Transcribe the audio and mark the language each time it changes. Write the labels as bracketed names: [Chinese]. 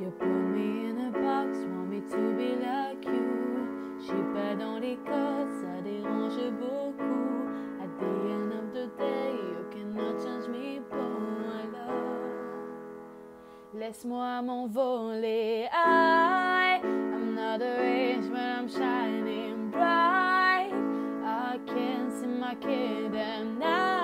[English] You put me in a box, want me to be like you. [French] J'suis pas dans les codes, ça dérange beaucoup. [English] At the end of the day, you cannot change me for my love. [French] Laisse-moi m'envoler. [English] I'm not a rage, but I'm shining bright. I can't see my kingdom now.